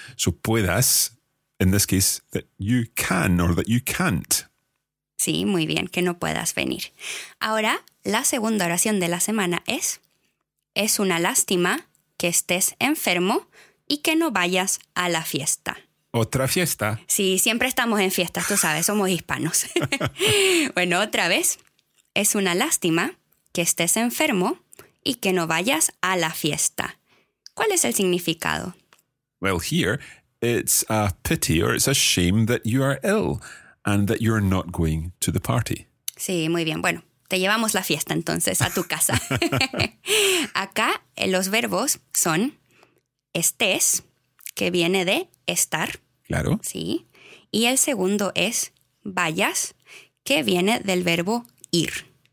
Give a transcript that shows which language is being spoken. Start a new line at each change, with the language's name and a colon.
English: So puedas, in this case, that you can or that you can't.
Spanish: Sí, muy bien, que no puedas venir. Ahora, la segunda oración de la semana es una lástima que estés enfermo y que no vayas a la fiesta. ¿Otra fiesta? Sí, siempre estamos en fiestas, tú sabes, somos hispanos. Bueno, otra vez, es una lástima que estés enfermo y que no vayas a la fiesta. ¿Cuál es el significado?
English: Well, here, it's a pity or it's a shame that you are ill and that you're not going to the party.
Spanish: Sí, muy bien. Bueno, te llevamos la fiesta entonces a tu casa. Acá los verbos son estés, que viene de estar. Claro. Sí. Y el segundo es vayas, que viene del verbo ir.